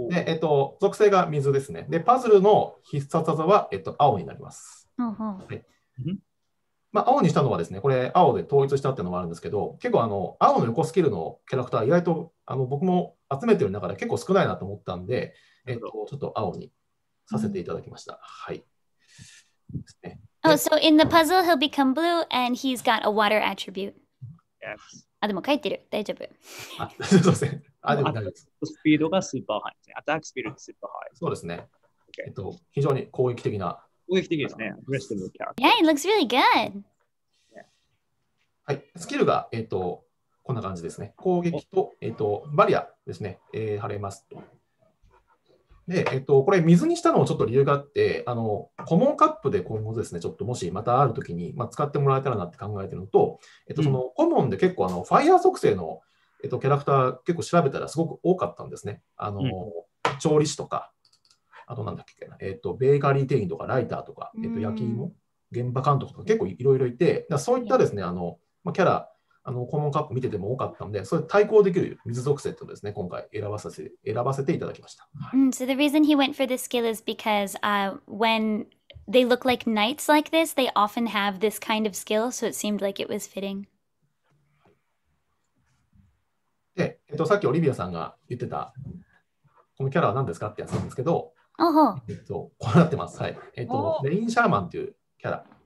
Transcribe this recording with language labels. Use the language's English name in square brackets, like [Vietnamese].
[Japanese] で、属性が水ですね。で、パズルの必殺技は、青になります。はい。まあ、青にしたのはですね、これ青で統一したっていうのもあるんですけど、結構青の横スキルのキャラクター意外と僕も集めてる中で結構少ないなと思ったんで、ちょっと青にさせていただきました。うん、はい。 [English] Oh, so in the puzzle, he'll become blue and he's got a water attribute. Yes. [Japanese] あ、でも書いてる。大丈夫。あ、すいません。あ、でも大丈夫です。スピードがスーパーハイですね。アタックスピードがスーパーハイ。そうですね。非常に攻撃的な。攻撃的ですね。ブレスティブキャラク [English] ター。Yeah, it looks really good. [Japanese] はい。スキルが、こんな感じですね。攻撃と、バリアですね。張れますと。で、これ水にしたのもちょっと理由があって、コモンカップで今後ですね、ちょっともしまたあるときに、まあ、使ってもらえたらなって考えてるのと、そのコモンで結構ファイヤー属性の、キャラクター結構調べたらすごく多かったんですね。調理師とか、あとなんだっけな、ベーカリー店員とかライターとか、焼き芋、現場監督とか結構いろいろいて、だそういったですね、まあ、キャラ、コモンカップ見てても多かったので、それ対抗できる水属性とですね、今回選ばせていただきました。 [English] Mm, so the reason he went for this skill is because、when they look like knights like this, they often have this kind of skill, so it seemed like it was fitting. [Japanese] で、さっきオリビアさんが言ってた、このキャラは何ですかってやつなんですけど、 oh. こうなってます。はい。レインシャーマンというキャラ。